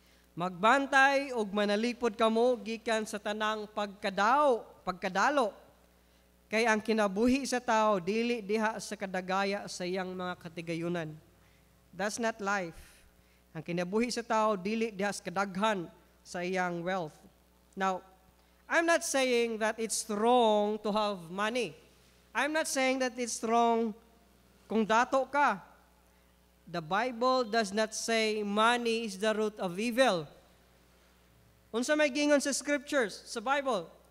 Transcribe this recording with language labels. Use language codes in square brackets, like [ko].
[ceb] Magbantay og manalipod kamo gikan sa tanang pagkadao, pagkadalo. Kay ang kinabuhi sa tao dili diha sa kadagaya sa iyang mga katigayunan. [en] That's not life. [ceb] Ang kinabuhi sa tao dili diha sa kadaghan sa iyang wealth. [en] Now, I'm not saying that it's wrong to have money. I'm not saying that it's wrong [ceb] kung dato ka. [en] The Bible does not say money is the root of evil. [ceb] Unsa may gingon sa scriptures, sa Bible?